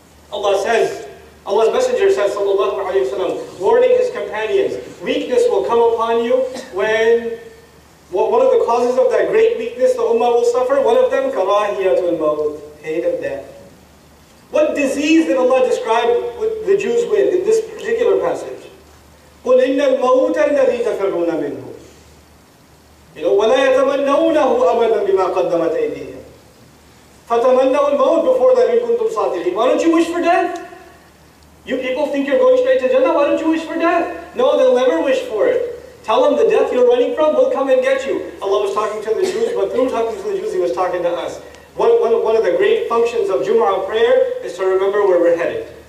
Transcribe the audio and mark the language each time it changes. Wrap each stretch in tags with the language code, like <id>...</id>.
<en>Allah says, Allah's Messenger says,</en> <ar>sallallahu alayhi wa sallam,</ar> <en>warning his companions, weakness will come upon you when, one of the causes of that great weakness the ummah will suffer, one of them,</en> <ar>karahiyatul maut,</ar> <en>hate of death. What disease did Allah describe with the Jews with in this particular passage?</en> <ar>قُلْ إِنَّ الْمَوْتَ الَّذِي تَفِرُّونَ مِنْهُ.</ar> <en>You know,</en> <ar>وَلَا يَتَمَنَّوْنَهُ أَبَدًا بِمَا قَدَّمَتْ أَيْدِيهِ. فَتَمَنَّوا الْمَوْتِ</ar> <en>before that in</en> <ar>كُنْتُمْ صَادِقِينَ.</ar> <en>Why don't you wish for death? You people think you're going straight to Jannah, why don't you wish for death? No, they'll never wish for it. Tell them the death you're running from, we'll come and get you. Allah was talking to the Jews, but through talking to the Jews, He was talking to us. One of the great functions of Jumu'ah prayer is to remember where we're headed.</en>